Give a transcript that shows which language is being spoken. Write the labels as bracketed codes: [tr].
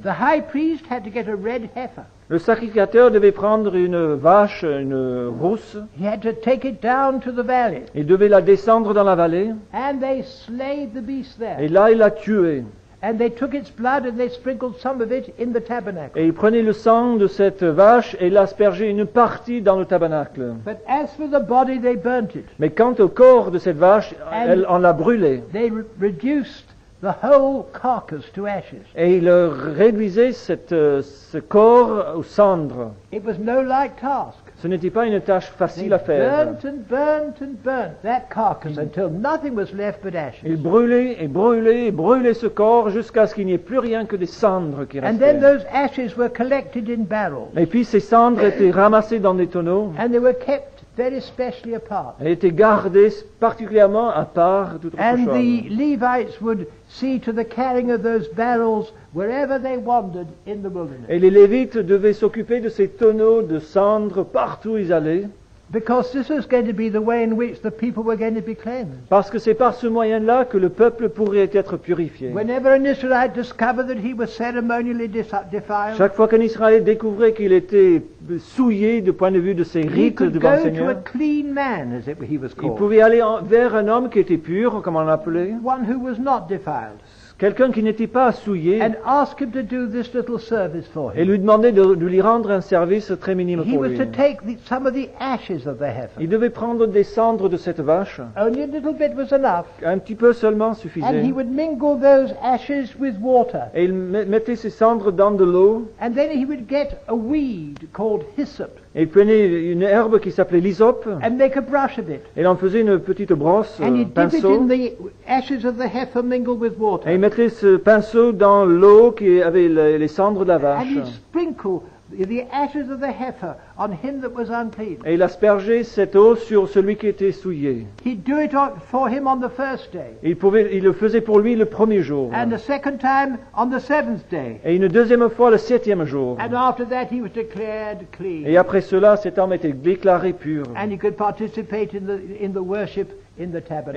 [en] The high priest had to get a red heifer. [fr] Le sacrificateur devait prendre une vache, une rousse. [en] He had to take it down to the valley. [fr] Il devait la descendre dans la vallée. [en] And they slayed the beast there. [fr] Et là, il l'a tué. [en] And they took its blood and they sprinkled some of it in the tabernacle. [fr] Et ils prenaient le sang de cette vache et l'aspergeaient une partie dans le tabernacle. [en] But as for the body, they burnt it. [fr] Mais quant au corps de cette vache, on l'a brûlé. [en] They reduced the whole carcass to ashes. [fr] Et ils réduisaient ce corps aux cendres. [en] It was no light task. [fr] Ce n'était pas une tâche facile [en] they [fr] à faire. [en] Burnt and burnt and burnt that carcass until nothing was left but ashes. [fr] Il brûlait et brûlait et brûlait ce corps jusqu'à ce qu'il n'y ait plus rien que des cendres qui restaient. [en] And then those ashes were collected in barrels. [fr] Et puis ces cendres étaient ramassées dans des tonneaux. [en] And they were kept very specially apart. [fr] Elles étaient gardées particulièrement à part d'autres choses. [en] And the Levites would see to the carrying of those barrels wherever they wandered in the wilderness. [fr] Et les Lévites devaient s'occuper de ces tonneaux de cendres partout où ils allaient. [en] Because this was going to be the way in which the people were going to be cleansed. [fr] Parce que c'est par ce moyen-là que le peuple pourrait être purifié. [en] Whenever an Israelite discovered that he was ceremonially defiled. [fr] Chaque fois qu'un Israélite découvrait qu'il était souillé du point de vue de ses rites devant le Seigneur. [en] He could go to a clean man, as it, he was called. [fr] Il pouvait aller vers un homme qui était pur, comme on l'appelait. [en] One who was not defiled. [fr] Quelqu'un qui n'était pas souillé. [en] And ask him to do this little service for him. [fr] Et lui demander de lui rendre un service très minime [en] he [fr] pour [en] was [fr] lui. [en] To take some of the ashes of the heifer. [fr] Il devait prendre des cendres de cette vache. [en] Only a little bit was enough. [fr] Un petit peu seulement suffisait. [en] And he would mingle those ashes with water. [fr] Et il mettait ces cendres dans de l'eau. [en] And then he would get a weed called hyssop. [fr] Et il prenait une herbe qui s'appelait l'hysope. [en] And make a brush of it. [fr] Et il en faisait une petite brosse, [en] and [fr] pinceau. [en] It in the ashes of the heifer mingled with water. [fr] Et il mettait ce pinceau dans l'eau qui avait les cendres de la vache. [en] The ashes of the heifer on him that was unclean. [fr] Et il aspergeait cette eau sur celui qui était souillé. [en] He'd do it for him on the first day. [fr] Il le faisait pour lui le premier jour. [en] And a second time on the seventh day. [fr] Et une deuxième fois le septième jour. [en] And after that he was declared clean. [fr] Et après cela, cet homme était déclaré pur. [en] And he could participate in the worship in the tabernacle.